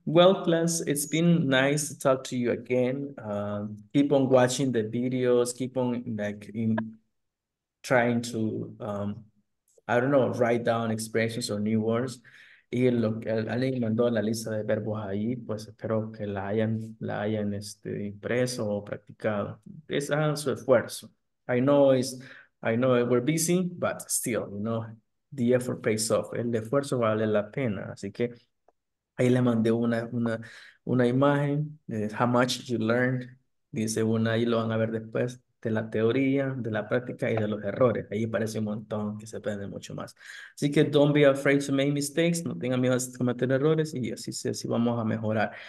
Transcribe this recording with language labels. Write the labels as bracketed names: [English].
[English] Well, class, it's been nice to talk to you again. Keep on watching the videos. Keep on like in trying to, I don't know, write down expressions or new words. [Spanish] Y lo que alguien mandó la lista de verbos ahí, pues espero que la hayan impreso o practicado. Es a su esfuerzo. [English] I know we're busy, but still, you know, the effort pays off. [Spanish] El esfuerzo vale la pena. Así que ahí le mandé una imagen de [English] how much you learned. [Spanish] Dice una, ahí lo van a ver después, de la teoría, de la práctica y de los errores. Ahí parece un montón que se aprende mucho más. Así que [English] don't be afraid to make mistakes. [Spanish] No tengan miedo a cometer errores y así vamos a mejorar.